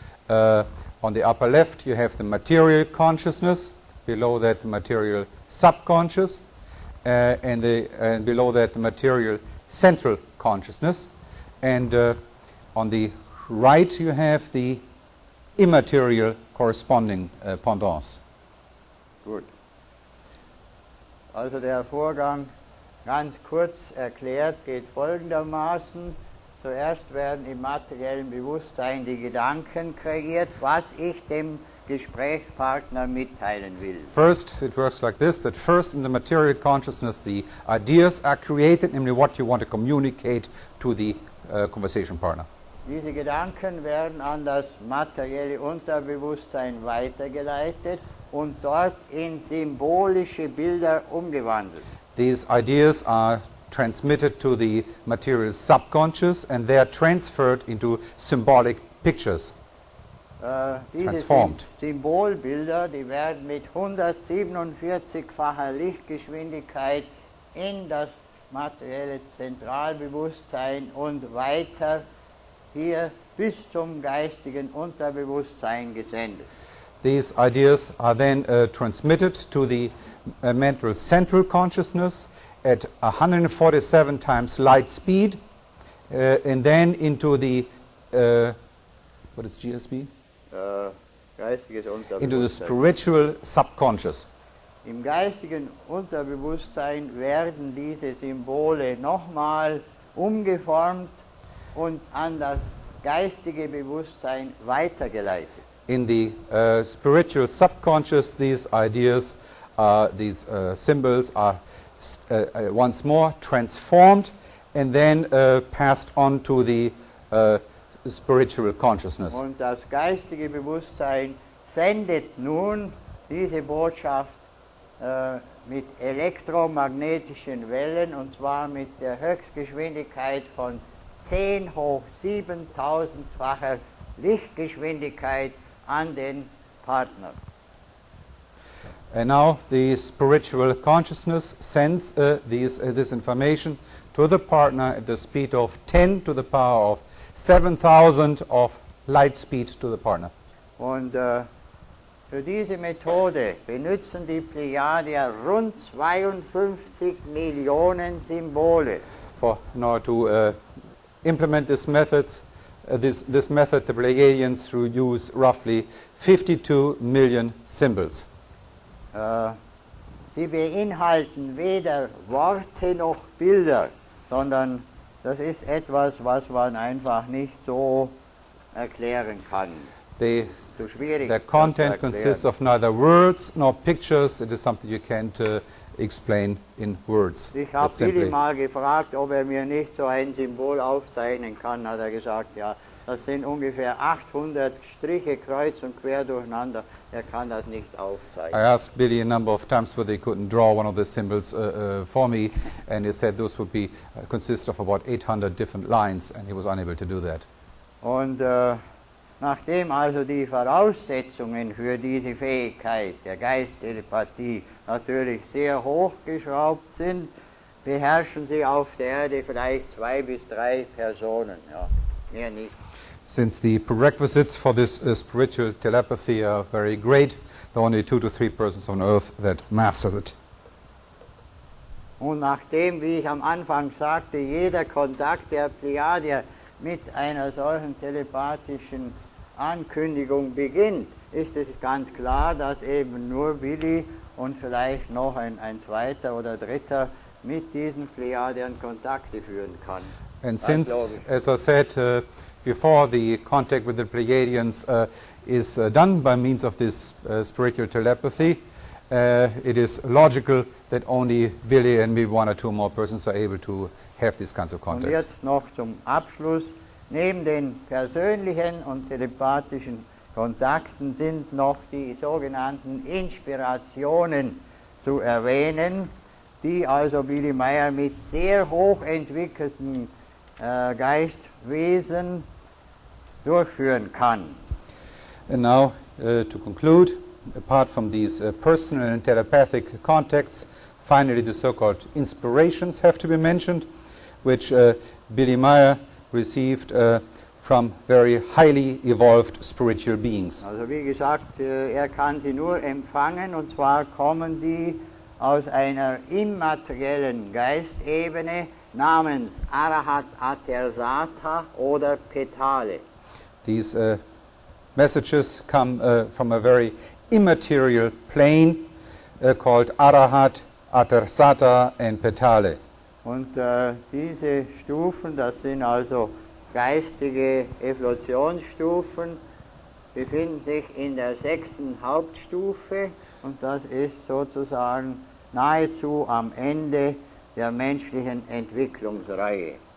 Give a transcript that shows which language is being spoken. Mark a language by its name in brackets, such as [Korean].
[English] On the upper left you have the material consciousness, below that the material subconscious, and below that the material central consciousness, and on the right you have the immaterial corresponding pendants. [German] Gut. Also der Vorgang, ganz kurz erklärt, geht folgendermaßen. Zuerst werden im materiellen Bewusstsein die Gedanken kreiert, was ich dem Gesprächspartner mitteilen will. [English] First, it works like this, that first in the material consciousness the ideas are created, namely what you want to communicate to the conversation partner. [German] Diese Gedanken werden an das materielle Unterbewusstsein weitergeleitet und dort in symbolische Bilder umgewandelt. [English] These ideas are transmitted to the material subconscious and they are transferred into symbolic pictures. Transformed. [German] Diese Symbolbilder, die werden mit 147-facher Lichtgeschwindigkeit in das materielle Zentralbewusstsein und weiter hier bis zum geistigen Unterbewusstsein gesendet. [English] These ideas are then transmitted to the mental central consciousness at 147 times light speed and then into the what is GSB? Into the spiritual subconscious. [German] Im geistigen Unterbewusstsein werden diese Symbole nochmal umgeformt und an das geistige Bewusstsein weitergeleitet. [English] In the spiritual subconscious, these ideas, these symbols are once more transformed and then passed on to the spiritual consciousness. [German] Und das geistige Bewusstsein sendet nun diese Botschaft mit elektromagnetischen Wellen und zwar mit der Höchstgeschwindigkeit von 10 hoch 7000-facher Lichtgeschwindigkeit an den Partner. [English] And now the spiritual consciousness sends this information to the partner at the speed of 10 to the power of 7000 of light speed to the partner. [German] Und für diese Methode benutzen die Plejadier rund 52 Millionen Symbole. [English] For now to implement this methods, this method, the Pleiadians use roughly 52 million symbols. [German] Sie beinhalten weder Worte noch Bilder, sondern das ist etwas, was man einfach nicht so erklären kann. Zu schwierig. [English] The content consists of neither words nor pictures. It is something you can't explain in words. [German] Ich habe Billy mal gefragt, ob er mir nicht so ein Symbol aufzeichnen kann. Hat er gesagt, ja, das sind ungefähr 800 Striche kreuz und quer durcheinander. Er kann das nicht aufzeichnen. [English] I asked Billy a number of times whether he couldn't draw one of the symbols for me, and he said those would be consist of about 800 different lines, and he was unable to do that. [German] Und nachdem also die Voraussetzungen für diese Fähigkeit der Geisttelepathie natürlich sehr hochgeschraubt sind, beherrschen sie auf der Erde vielleicht 2 bis 3 Personen, ja, mehr nicht. [English] Since the prerequisites for this spiritual telepathy are very great, there are only 2 to 3 persons on Earth that master it. [German] Und nachdem, wie ich am Anfang sagte, jeder Kontakt der Plejadier mit einer solchen telepathischen Ankündigung beginnt, ist es ganz klar, dass eben nur Willi und vielleicht noch ein zweiter oder dritter mit diesen Plejadiern Kontakte führen kann. [English] And [German] das [English] since, as I said before, the contact with the Plejadians is done by means of this spiritual telepathy, it is logical that only Willi and maybe one or two more persons are able to have these kinds of contacts. [German] Und jetzt noch zum Abschluss. Neben den persönlichen und telepathischen Kontakten sind noch die sogenannten Inspirationen zu erwähnen, die also Willi Meyer mit sehr hoch entwickelten Geistwesen durchführen kann. [English] And now, to conclude, apart from these personal and telepathic contacts, finally the so-called inspirations have to be mentioned, which Willi Meyer received from very highly evolved spiritual beings. [German] Also wie gesagt, er kann sie nur empfangen, und zwar kommen die aus einer immateriellen Geistebene namens Arahat Atersata oder Petale. [English] These messages come from a very immaterial plane called Arahat Atersata and Petale. [German] Und diese Stufen, das sind also geistige Evolutionsstufen, befinden sich in der sechsten Hauptstufe, und das ist sozusagen nahezu am Ende der menschlichen Entwicklungsreihe.